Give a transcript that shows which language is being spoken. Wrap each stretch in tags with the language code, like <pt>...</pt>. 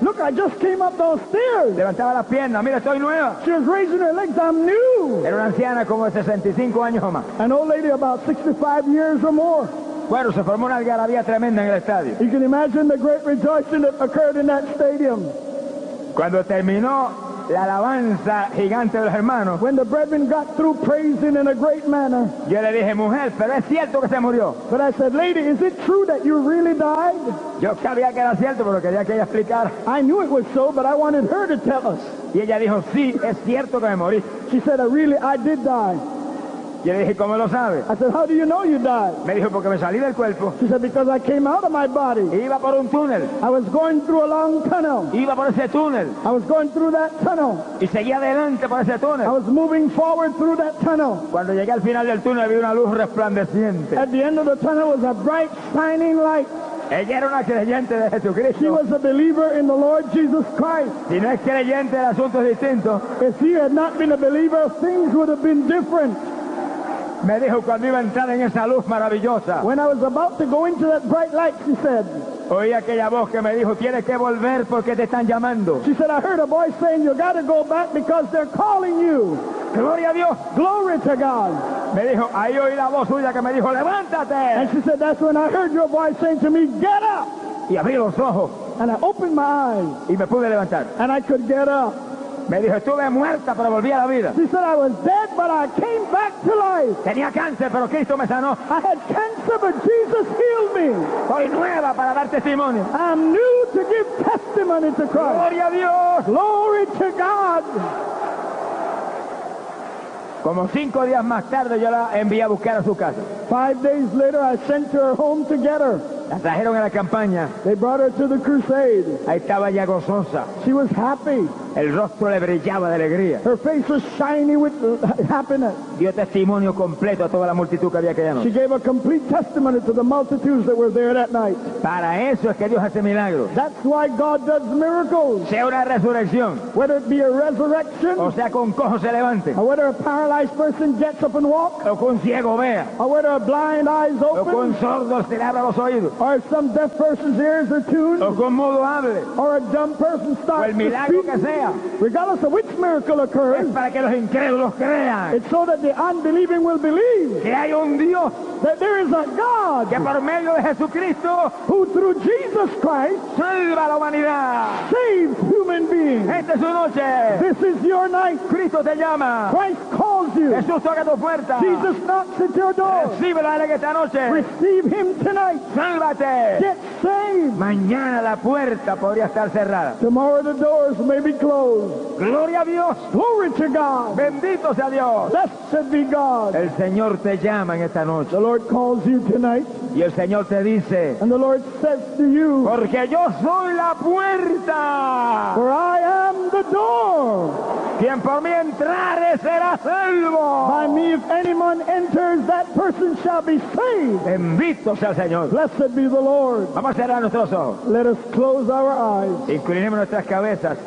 <en>Look, I just came up those stairs.</en> <es>Levantaba las piernas. Mira, estoy nueva.</es> <en>She was raising her legs. I'm new.</en> <es>Era una anciana como de 65 años o más.</es> <en>An old lady about 65 years or more.</en> <es>Bueno, se formó una algarabía tremenda en el estadio.</es> <en>You can imagine the great rejoicing that occurred in that stadium.</en> <es>Cuando terminó la alabanza gigante de los hermanos.</es> <en>When the brethren got through praising in a great manner.</en> <es>Yo le dije, mujer, pero es cierto que se murió.</es> <en>But I said, lady, is it true that you really died?</en> <es>Yo sabía que era cierto, pero quería que ella explicara.</es> <en>I knew it was so, but I wanted her to tell us.</en> <es>Y ella dijo, sí, es cierto que me morí.</es> <en>She said, really, I did die.</en> <es>Yo le dije, ¿cómo lo sabe?</es> <en>I said, how do you know you died?</en> <es>Me dijo, porque me salí del cuerpo.</es> <en>She said, because I came out of my body.</en> <es>Iba por un túnel.</es> <en>I was going through a long tunnel.</en> <es>Iba por ese túnel.</es> <en>I was going through that tunnel.</en> <es>Y seguía adelante por ese túnel.</es> <en>I was moving forward through that tunnel.</en> <es>Cuando llegué al final del túnel, vi una luz resplandeciente.</es> <en>At the end of the tunnel was a bright, shining light.</en> <es>Ella era una creyente de Jesucristo.</es> <en>She was a believer in the Lord Jesus Christ.</en> <es>Si no es creyente, el asunto es distinto.</es> <en>If she had not been a believer, things would have been different.</en> <es>Me dijo cuando iba a entrar en esa luz maravillosa.</es> <en>When I was about to go into that bright light, she said.</en> <es>Oí aquella voz que me dijo, tienes que volver porque te están llamando.</es> <en>She said, I heard a voice saying, you got to go back because they're calling you.</en> <es>Gloria a Dios.</es> <en>Glory to God.</en> <es>Me dijo, ahí oí la voz suya que me dijo, levántate.</es> <en>And she said, that's when I heard your voice saying to me, get up.</en> <es>Y abrí los ojos.</es> <en>And I opened my eyes.</en> <es>Y me pude levantar.</es> <en>And I could get up.</en> <es>Me dijo, estuve muerta, pero volví a la vida.</es> <en>She said, I was dead, but I came back to life.</en> <es>Tenía cáncer, pero Cristo me sanó.</es> <en>I had cancer, but Jesus healed me.</en> <es>Soy nueva para dar testimonio.</es> <en>I'm new to give testimony to Christ.</en> <es>Gloria a Dios.</es> <en>Glory to God.</en> <es>Como cinco días más tarde, yo la envié a buscar a su casa.</es> <en>5 days later, I sent her home to get her.</en> <es>La trajeron a la campaña.</es> <en>They brought her to the crusade.</en> <es>Ahí estaba ya gozosa.</es> <en>She was happy.</en> <es>El rostro le brillaba de alegría.</es> <en>Her face was shiny with happiness.</en> <es>Dio testimonio completo a toda la multitud que había aquella noche.</es> <en>She gave a complete testimony to the multitudes that were there that night.</en> <es>Para eso es que Dios hace milagros.</es> <en>That's why God does miracles.</en> <es>Sea una resurrección.</es> <en>Whether it be a resurrection.</en> <es>O sea, con cojo se levante.</es> <en>Or whether a paralyzed person gets up and walks.</en> <es>O con ciego vea.</es> <en>Or whether a blind eyes open.</en> <es>O con sordo se le abra los oídos.</es> <en>Or some deaf person's ears are tuned.</en> <es>O con mudo hable.</es> <en>Or a dumb person starts to speak.</en> <es>O el milagro que sea.</es> <en>Regardless of which miracle occurs,</en> <es>es para que los incrédulos crean.</es> <en>It's so that the unbelieving will believe</en> <es>que hay un Dios,</es> <en>that there is a God</en> <es>que por medio de Jesucristo,</es> <en>who through Jesus Christ</en> <es>salva la humanidad,</es> <en>saves human beings.</en> <es>Esta es su noche.</es> <en>This is your night.</en> <es>Cristo te llama.</es> <en>Christ calls you.</en> <es>Jesús toca tu puerta.</es> <en>Jesus knocks at your door.</en> <es>Recíbelo en esta noche.</es> <en>Receive him tonight.</en> <es>Sálvate.</es> <en>Get saved.</en> <es>Mañana la puerta podría estar cerrada.</es> <en>Tomorrow the doors may be closed.</en> <es>Gloria a Dios.</es> <en>Glory to God.</en> <es>Bendito sea Dios.</es> <en>Blessed be God.</en> <es>El Señor te llama en esta noche.</es> <en>The Lord calls you tonight.</en> <es>Y el Señor te dice.</es> <en>And the Lord says to you.</en> <es>Porque yo soy la puerta.</es> <en>For I am the door.</en> <es>Quien por mí entrare será salvo.</es> <en>By me if anyone enters, that person shall be saved.</en> <es>Bendito sea el Señor.</es> <en>Blessed be the Lord.</en> <es>Vamos a cerrar nuestros ojos.</es> <en>Let us close our eyes.</en> <es>Inclinemos nuestras cabezas.</es>